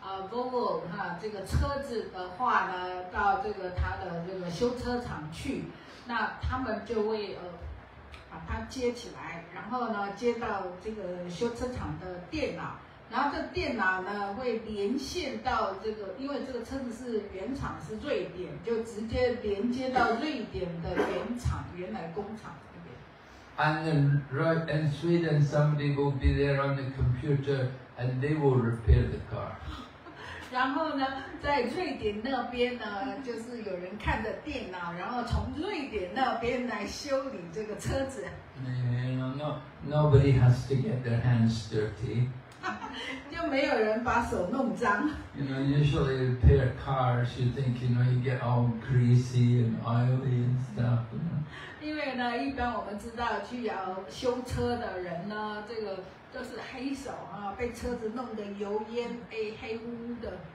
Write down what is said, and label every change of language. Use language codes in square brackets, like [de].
[zh] Volvo 哈，这个车子的话呢，到这个他的这个修车厂去，那他们就会把它接起来，然后呢接到这个修车厂的电脑，然后这电脑呢会连线到这个，因为这个车子是原厂是瑞典，就直接连接到瑞典的原厂原来工厂那边。 [en] And then right in Sweden, somebody will be there on the computer, and they will repair the car. [zh] 然后呢，在瑞典那边呢，就是有人看着电脑，然后从瑞典那边来修理这个车子。 [en] No, nobody has to get their hands dirty. [zh] 就没有人把手弄脏。 [en] You know, usually you repair cars, you think, you know, you get all greasy and oily and stuff. You know? [zh] 因为呢，一般我们知道去要修车的人呢，这个。都是黑手啊，被车子弄得油烟黑黑乌乌的。